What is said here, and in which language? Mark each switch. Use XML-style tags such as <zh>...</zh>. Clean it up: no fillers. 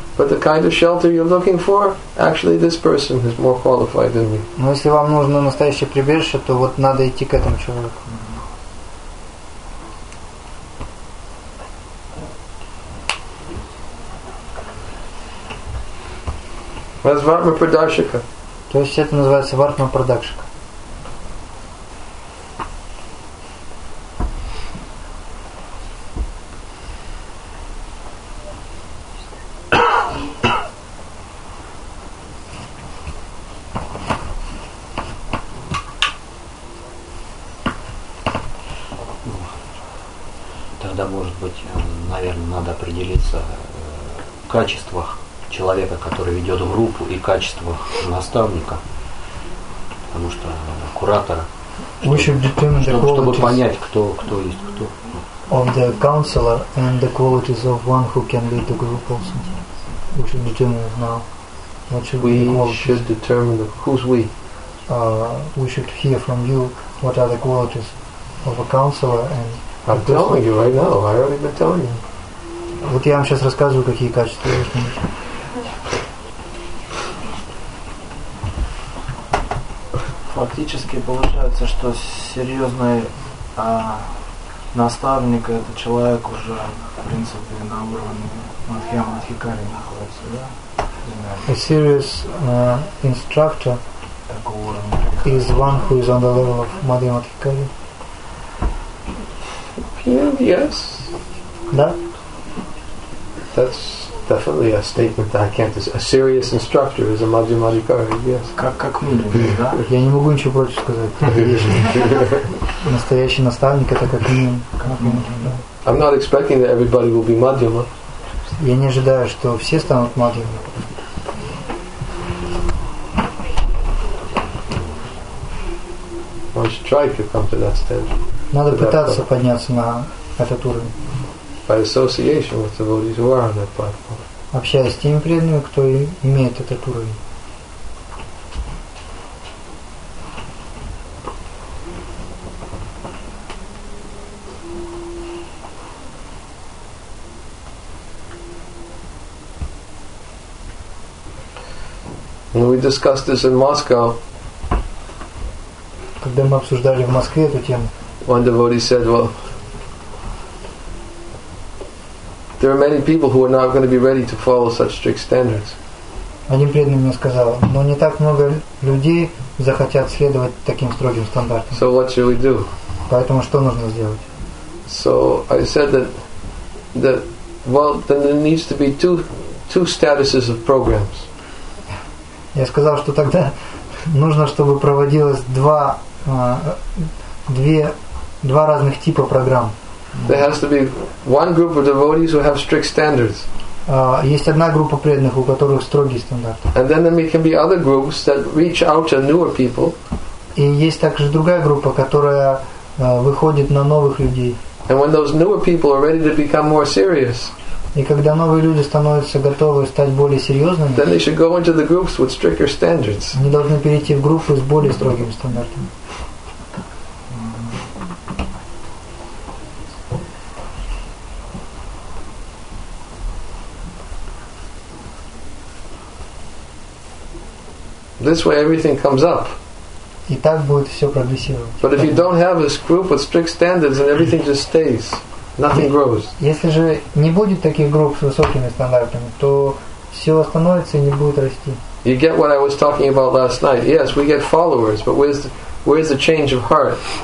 <en>But the kind of shelter you're looking for, actually this person is more qualified than me.</en> <ru>Но если вам нужно настоящее прибежище, то вот надо идти к этому человеку.</ru> <en>That's Vartma Pradakshika.</en> <ru>То есть это называется Vartma Pradakshika. тогда, может быть, наверное, надо определиться в качествах человека, который ведет группу, и качествах наставника. Потому что куратор, чтобы понять, кто есть кто.</ru> <en>Of the counselor and the qualities of one who can lead the group also. We should determine now. Who's we? We should hear from you what are the qualities of a counselor and. I'm telling you right now. I've already been telling you.</en> <ru>Вот я вам сейчас рассказываю, какие качества есть.</ru> <en>Okay.</en> <ru>Фактически получается, что серьезный наставник это человек уже, в принципе, на уровне Мадхьяма-Мадхикари находится, да?</ru> <en>A serious instructor is one who is on the level of Madhyamadhikari. Yeah, yes. That's definitely a statement that I can't dis- a serious instructor is a Madhyamadhikari, yes.</en> <ru>Как минимум, да? Я не могу ничего против сказать. Настоящий наставник это как минимум.</ru> <en>I'm not expecting that everybody will be Madhyama.</en> <ru>Я не ожидаю, что все станут Madhyama.</ru> <en>One should try if you come to that stage.</en> <ru>Надо пытаться подняться на этот уровень.</ru> <en>By association with devotees who are on that platform.</en> <ru>Общаясь с теми преданными, кто имеет этот уровень.</ru> <en>When we discussed this in Moscow.</en> <ru>Когда мы обсуждали в Москве эту тему.</ru> <en>One devotee said, "Well, there are many people who are not going to be ready to follow such strict standards."</en> <ru>Один преданный мне сказал, но не так много людей захотят следовать таким строгим стандартам.</ru> <en>So what should we do?</en> <ru>Поэтому что нужно сделать?</ru> <en>So I said that there needs to be two statuses of programs.</en> <ru>Я сказал, что тогда нужно, чтобы проводилось два разных типа программ.</ru> <en>There has to be one group of devotees who have strict standards.</en> <ru>Есть одна группа преданных, у которых строгий стандарт.</ru> <en>And then there can be other groups that reach out to newer people.</en> <ru>И есть также другая группа, которая выходит на новых людей.</ru> <en>And when those newer people are ready to become more serious.</en> <ru>И когда новые люди становятся готовы стать более серьезными,</ru> <en>then they should go into the groups with stricter standards.</en> <ru>Они должны перейти в группы с более строгими стандартами.</ru> <en>This way everything comes up.</en> <ru>И так будет все прогрессировать.</ru> <en>But if you don't have this group with strict standards, then everything just stays. Nothing grows.</en> <ru>Если же не будет таких групп с высокими стандартами, то все остановится и не будет расти.</ru> <en>You get what I was talking about last night. Yes, we get followers, but where's the change of heart?</en>